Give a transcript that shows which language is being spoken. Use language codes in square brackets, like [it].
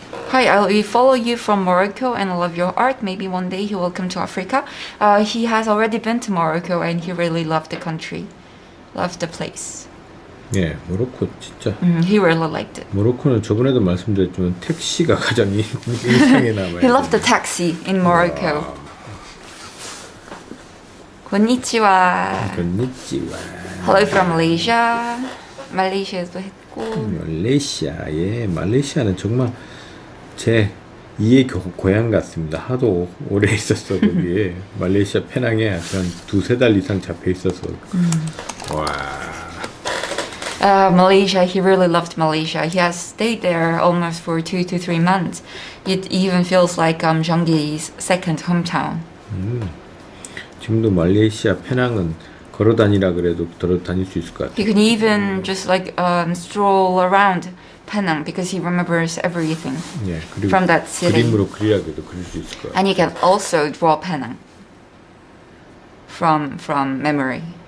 [en] Hi, I follow you from Morocco and love your art. Maybe one day he will come to Africa. He has already been to Morocco and he really loved the country, loved the place. [ko] 네, 모로코 진짜. [en] He really liked it. [ko] 모로코는 저번에도 말씀드렸지만 택시가 가장 인상에 남아요. [en] He loved the taxi in Morocco. [ja] 고니치와. 고니치와. [en] Hello from Malaysia. [ko] 말레이시아도 했고. 말레이시아, 예, 말레이시아는 정말 제 2의 고향 같습니다. 하도 오래 있었어 거기에. 말레이시아 페낭에 한 두세 달 이상 잡혀 있어서. 와. [en] Malaysia, he really loved Malaysia. He has stayed there almost for 2 to 3 months. It even feels like Jeongi's second hometown. [ko] 지금도 말레이시아 페낭은 걸어 다니라 그래도 걸어 다닐 수 있을 것 같아요. [en] He can even just like stroll around Penang because he remembers everything. [ko] 예, [en] from that city. [ko] 그림으로 그리라고도 그릴 수 있을 거예요. [en] And you can also draw Penang from memory.